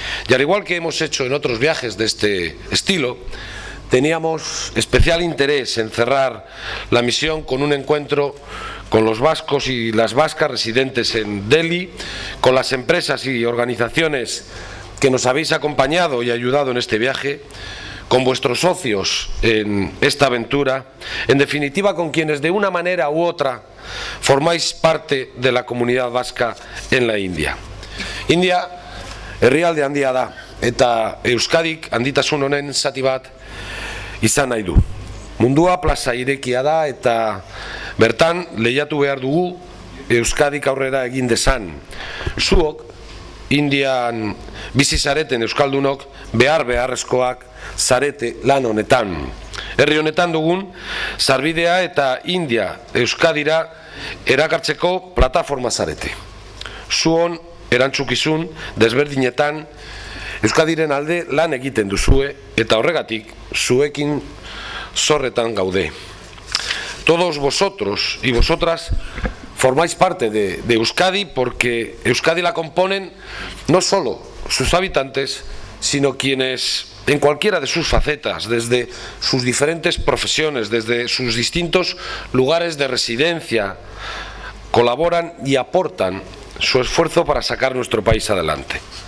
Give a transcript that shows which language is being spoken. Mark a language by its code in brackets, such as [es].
[es] Y al igual que hemos hecho en otros viajes de este estilo, teníamos especial interés en cerrar la misión con un encuentro con los vascos y las vascas residentes en Delhi, con las empresas y organizaciones que nos habéis acompañado y ayudado en este viaje, con vuestros socios en esta aventura, en definitiva con quienes de una manera u otra formáis parte de la comunidad vasca en la India. [eu] India, herrialde handia da, eta Euskadik handitasun honen zati bat izan nahi du. Mundua plaza irekia da eta bertan lehiatu behar dugu Euskadik aurrera egin dezan. Zuok, Indian bizi zareten euskaldunok, behar beharrezkoak zarete lan honetan. Herri honetan dugun sarbidea eta India Euskadira erakartzeko plataforma zarete. Zuon erantzukizun desberdinetan Euskadiren alde lan egiten duzue eta horregatik zuekin zorretan gaude. [es] Todos vosotros y vosotras formáis parte de Euskadi porque Euskadi la componen no solo sus habitantes, sino quienes en cualquiera de sus facetas, desde sus diferentes profesiones, desde sus distintos lugares de residencia, colaboran y aportan su esfuerzo para sacar nuestro país adelante.